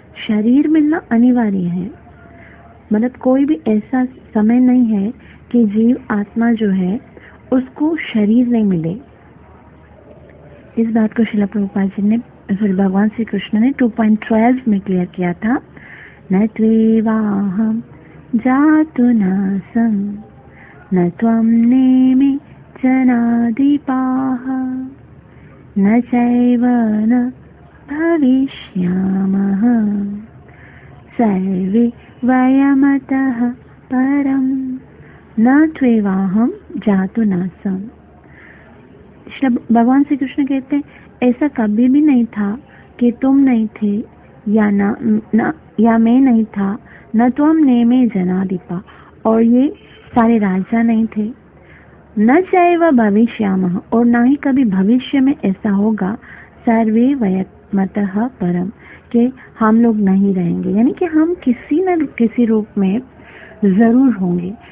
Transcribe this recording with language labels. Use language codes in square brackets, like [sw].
[hi] शरीर मिलना अनिवार्य है, मतलब कोई भी ऐसा समय नहीं है कि जीव आत्मा जो है उसको शरीर नहीं मिले। इस बात को श्रील प्रभुपाल जी ने फिर भगवान श्री कृष्ण ने 2.12 में क्लियर किया था। [sa] न त्वेवाहं जातु नासं न त्वं नेमि जनादिपाः न चैव न भविष्यामः सर्वे वयमतः परम् न त्वेवाहं जातु नासं। [hi] भगवान श्री कृष्ण कहते हैं ऐसा कभी भी नहीं था कि तुम नहीं थे या ना या मैं नहीं था न तो हम ने में जना दीपा और ये सारे राजा नहीं थे न चाहे वह भविष्य मह और ना ही कभी भविष्य में ऐसा होगा [sa] सर्वे वयमत परम [hi] कि हम लोग नहीं रहेंगे यानी कि हम किसी न किसी रूप में जरूर होंगे।